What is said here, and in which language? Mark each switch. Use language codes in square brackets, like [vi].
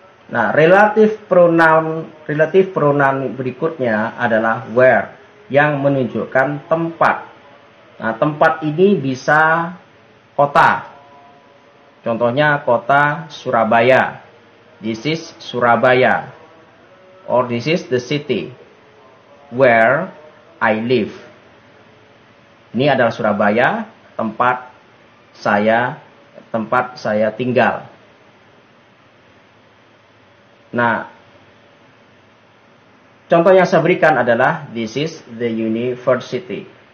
[id] Nah, relative pronoun berikutnya adalah where, yang menunjukkan tempat. Nah, tempat ini bisa kota. Contohnya kota Surabaya. [en] This is Surabaya. Or this is the city where I live. [id] Ini adalah Surabaya, tempat saya tinggal. Nah, contoh yang saya berikan adalah [en] this is the university.